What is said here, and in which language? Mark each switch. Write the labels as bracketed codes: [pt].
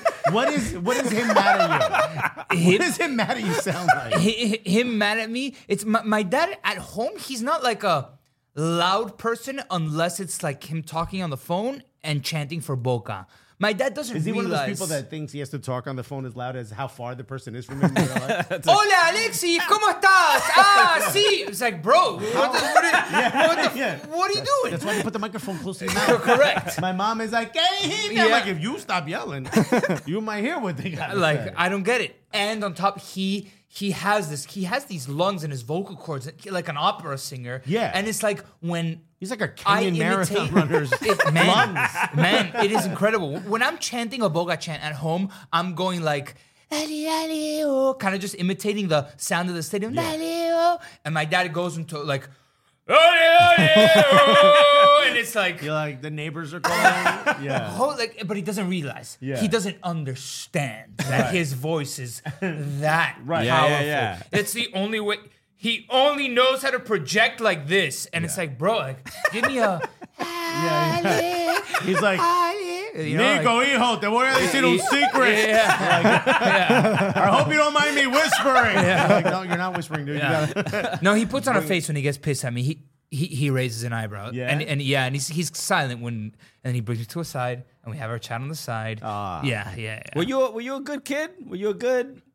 [en] What is him mad at you? What is him mad at you sound like? Him mad at me? It's my dad at home. He's not like a loud person unless it's like him talking on the phone and chanting for Boca. My dad doesn't realize. Is he realize. One of those people that thinks he has to talk on the phone as loud as how far the person is from him? Like, [es] hola, Alexi, ¿cómo estás? Ah, sí. [en] It's like, bro, what are you doing? That's why you put the microphone close to your mouth. Correct. My mom is like, hey, yeah. I'm like, if you stop yelling, you might hear what they got to say. Like, I don't get it. And on top, he has this. He has these lungs in his vocal cords, like an opera singer. Yeah. And it's like when... He's like a Kenyan marathon runner's lungs. Man, it is incredible. When I'm chanting a Boga chant at home, I'm going like, ali, ali, oh, kind of just imitating the sound of the stadium. Yeah. Ali, oh. And my dad goes into like, ali, ali, oh, and it's like... You're like, the neighbors are calling. Yeah. But he doesn't realize. Yeah. He doesn't understand that his voice is that right. powerful. Yeah, yeah, yeah. It's the only way... He only knows how to project like this. And it's like, bro, like, give me a... He's like, [es] Nico, hijo, te voy a decir un secret. [en] Yeah. I hope you don't mind me whispering. Yeah. Like, no, you're not whispering, dude. Yeah. You no, he puts on a face when he gets pissed at me. He raises an eyebrow. Yeah. And he's silent when... And he brings me to a side, and we have our chat on the side. Were you a good kid? Were you a good...